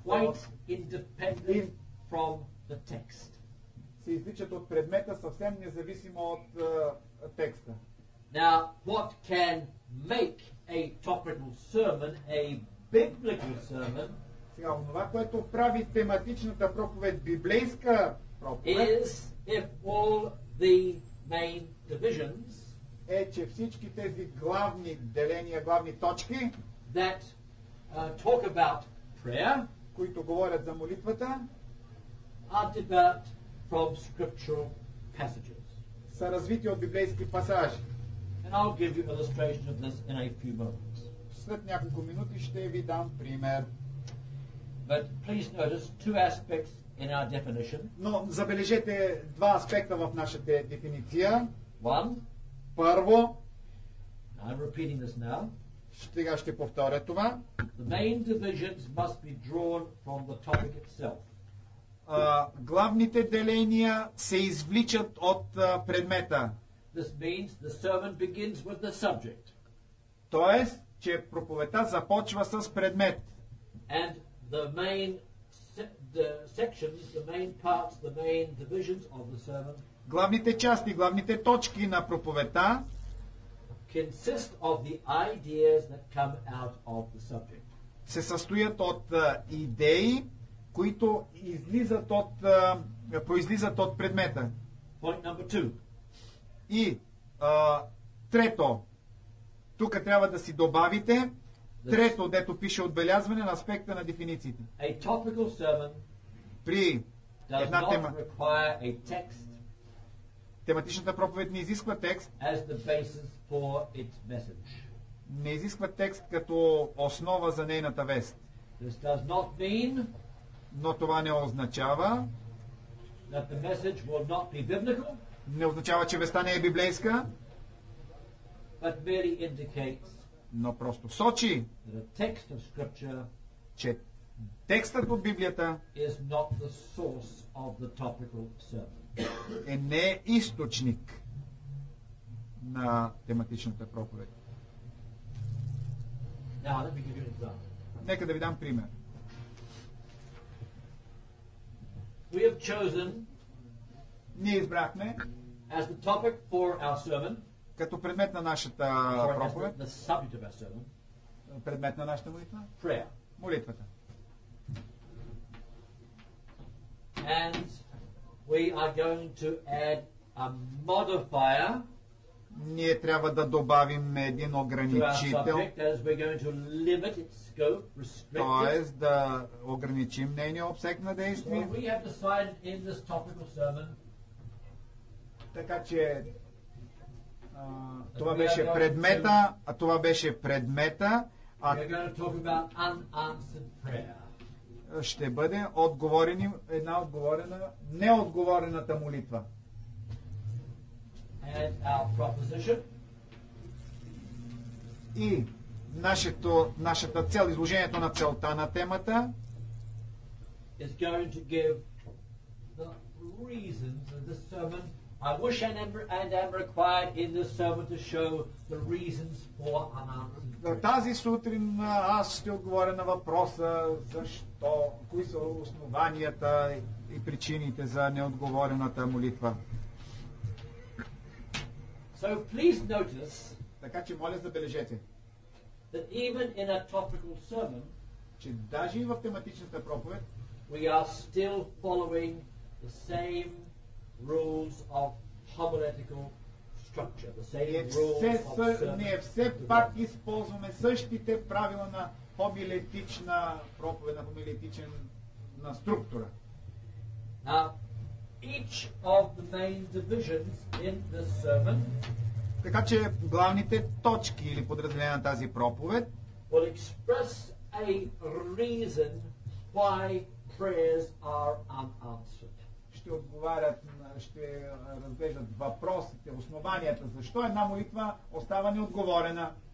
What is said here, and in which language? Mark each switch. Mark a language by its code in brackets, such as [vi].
[en] quite independent from the text. [bg] Се извличат от предмета съвсем независимо от текста. [en] Now, what can make a topical sermon a biblical sermon? [bg] Сега, това, което прави тематичната проповед библейска проповед, [en] is if all the main divisions [bg] е, че всички тези главни деления, главни точки [en] that talk about prayer, [bg] които говорят за молитвата, [en] are developed from scriptural passages. [bg] Са развити от библейски пасажи. [en] And I'll give you an illustration of this in a few moments. [bg] След няколко минути ще ви дам пример. [en] But please notice two aspects in our definition. [bg] Но забележете два аспекта в нашата дефиниция. [en] One. [bg] Първо. [en] I'm repeating this now. [bg] Сега ще повторя това. [en] The main divisions must be drawn from the topic itself. [bg] Главните деления се извличат от предмета. [en] This means the sermon begins with the subject. [bg] Тоест, че проповедта започва с предмет. [en] And the main sections, the main parts, the main divisions of the sermon. [bg] Главните части, главните точки на проповедта [en] consist of the ideas that come out of the subject. [bg] Се състоят от идеи, които излизат от произлизат от предмета. [en] Point number two. [bg] И трето, тук трябва да си добавите, трето, дето пише отбелязване на аспекта на дефинициите. [en] A topical sermon [bg] при [en] does not require a text. [bg] Тематичната проповед не изисква текст. [en] As the basis for its message. [bg] Не изисква текст като основа за нейната вест. [en] This does not mean, [bg] но това не означава, [en] that the message will not be biblical. [bg] Не означава, че веста не е библейска, [en] but merely indicates, [bg] но просто сочи, [en] that a text of scripture, [bg] че текстът от Библията [en] is not the source of the topical sermon. [bg] Е не източник на тематичната проповед. [en] Now, let me give you an example. [bg] Нека да ви дам пример. [en] We have chosen, [bg] ние избрахме [en] as the topic for our sermon, [bg] като предмет на нашата проповед, [en] the subject of our sermon, [bg] предмет на нашата молитва, [en] prayer, [bg] молитвата. [en] And we are going to add a modifier. [bg] Ние трябва да добавим един ограничител. [en] Subject, we're going to limit its scope, restrict. [bg] Тоест да ограничим нейния обсек на действие. [en] We have decided in this topical sermon. [bg] Така че това беше предмета, а това беше предмета, [en] а we're going to talk about unanswered prayer. [bg] Ще бъде отговорени една отговорена, неотговорената молитва. [en] And our proposition. [bg] И нашата цел, изложението на целта на темата [en] is going to give the reasons of this sermon. I wish and am required in this sermon to show the reasons for unanswered. [bg] Тази сутрин аз ще отговоря на въпроса защо, кои са основанията и причините за неотговорената молитва. [en] So please notice. [bg] Така че моля забележете. [en] That even in a topical sermon, [bg] че даже и в тематичната проповед, [en] we are still following the same rules of homiletical structure, the same rules of sermon. [bg] Ние все пак използваме същите правила на хомилетична проповед, на хомилетична структура. [en] Now, each of the main divisions in the sermon, [bg] така че главните точки или подразделения на тази проповед, [en] will express a reason why prayers are unanswered. [bg] Ще отговарят, ще разглеждат въпросите, основанията, защо една молитва остава неотговорена.